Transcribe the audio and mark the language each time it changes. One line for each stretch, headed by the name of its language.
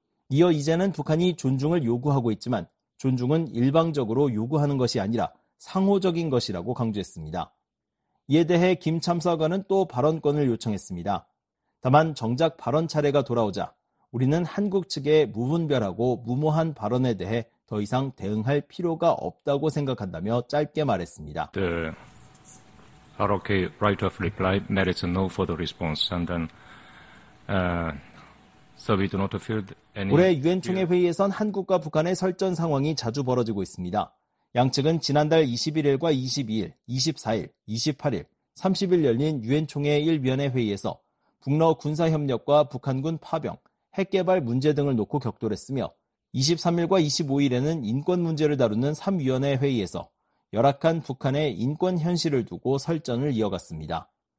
Korean: 이어 이제는 북한이 존중을 요구하고 있지만 존중은 일방적으로 요구하는 것이 아니라 상호적인 것이라고 강조했습니다. 이에 대해 김 참사관은 또 발언권을 요청했습니다. 다만 정작 발언 차례가 돌아오자 우리는 한국 측의 무분별하고 무모한 발언에 대해 더 이상 대응할 필요가 없다고 생각한다며 짧게 말했습니다.
English: The ROK right of reply merits no further response and then so we do not feel any.
Korean: 올해 유엔 총회 회의에선 한국과 북한의 설전 상황이 자주 벌어지고 있습니다. 양측은 지난달 21일과 22일, 24일, 28일, 30일 열린 유엔총회 1위원회 회의에서 북러 군사협력과 북한군 파병, 핵개발 문제 등을 놓고 격돌했으며 23일과 25일에는 인권 문제를 다루는 3위원회 회의에서 열악한 북한의 인권 현실을 두고 설전을 이어갔습니다.